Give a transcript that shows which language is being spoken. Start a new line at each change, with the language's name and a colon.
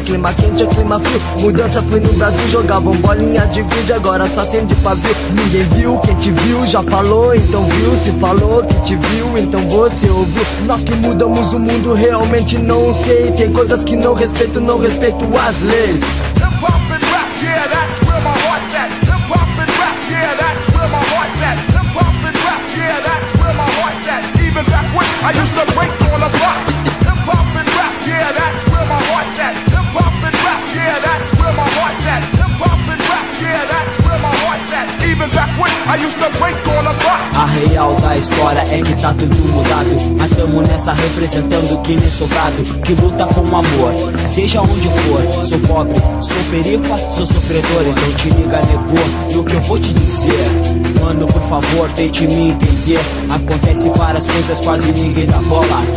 Portuguese: Clima quente ou clima frio, mudança foi no Brasil. Jogavam bolinha de gude, agora só acende pavio. Ninguém viu, quem te viu já falou, então viu. Se falou que te viu, então você ouviu. Nós que mudamos o mundo, realmente não sei. Tem coisas que não respeito, não respeito to Wesley's.
English: Hip hop and rap, yeah, that's where my heart's at. Hip hop and rap, yeah, that's where my heart's at. Hip hop and rap, yeah, that's where my heart's at. Even back when I used to break on the block. Hip hop and rap, yeah, that's where my heart's at. Hip hop and rap, yeah, that's where my heart's at. Hip hop and rap, yeah, that's where my heart's at. Even back when I used to break on the block.
Portuguese: A real da história é que tá tudo mudado, mas tamo nessa representando que nem sobrado, que luta com amor, seja onde for. Sou pobre, sou perifa, sou sofredor. Então te liga, nego, e o que eu vou te dizer? Mano, por favor, tente me entender. Acontece várias coisas, quase ninguém dá bola.